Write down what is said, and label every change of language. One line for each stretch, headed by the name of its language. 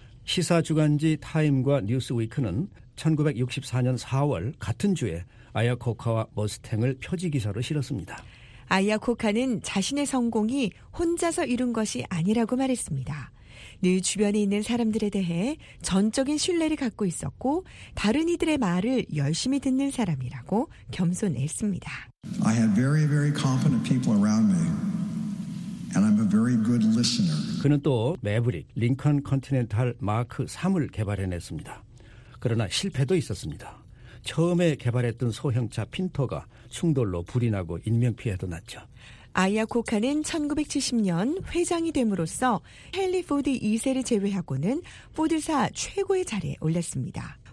Korean: 시사 주간지 타임과 뉴스위크는 1964년 4월 같은 주에 아야코카와 머스탱을 표지 기사로 실었습니다. 아야코카는 자신의 성공이 혼자서 이룬 것이 아니라고 말했습니다. 늘 주변에 있는 사람들에 대해 전적인 신뢰를 갖고 있었고 다른 이들의 말을 열심히 듣는 사람이라고 겸손했습니다.
English: I have very, very competent people around me. And I'm a very good listener.
Korean: 그는 또 매브릭, 링컨 컨티넨탈 마크 3을 개발해냈습니다. 그러나 실패도 있었습니다. 처음에 개발했던 소형차 핀토가 충돌로 불이 나고 인명피해도 났죠. 아야코카는 1970년 회장이 됨으로써 헨리 포드 2세를 제외하고는 포드사 최고의 자리에 올랐습니다.